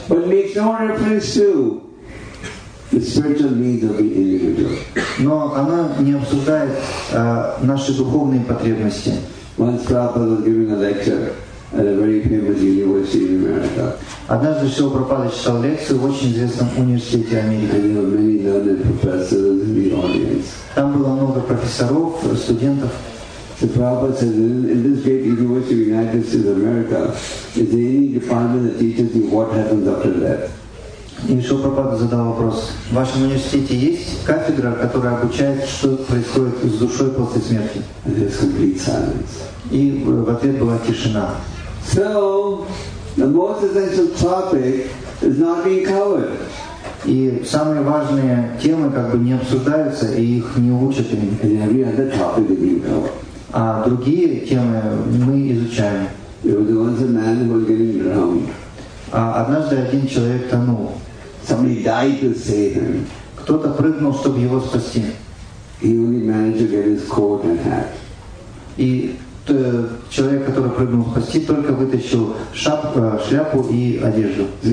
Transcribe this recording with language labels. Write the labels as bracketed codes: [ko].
[en] But makes no reference to the spiritual needs of the individual. [ru] Но оно не обсуждает наши духовные потребности. [en] Once Prabhupada was giving a lecture at a very famous university in America. [ru] Однажды Шрила Прабхупада читал лекцию в очень известном университете Америки. Там было много профессоров, студентов. [en] So Prabhupada says, in this great university of the United States of America, is there any department that teaches you what happens after death? [ru] И Шрила Прабхупада задал вопрос, в вашем университете есть кафедра, которая обучает, что происходит с душой после смерти? [en] And there's complete silence. [ru] И в ответ была тишина. [en] So, the most essential topic is not being covered. [ru] И самые важные темы как бы не обсуждаются и их не учат. [en] And every other topic is being covered. [ru] А другие темы мы изучаем. [en] There was once a man who was getting drowned. [ru] А однажды один человек тонул. [en] Somebody died to save him. [ru] Кто-то прыгнул, чтобы его спасти. [en] He only managed to get his coat and hat. [ru] И человек, который прыгнул в спасти, только вытащил шляпу и одежду.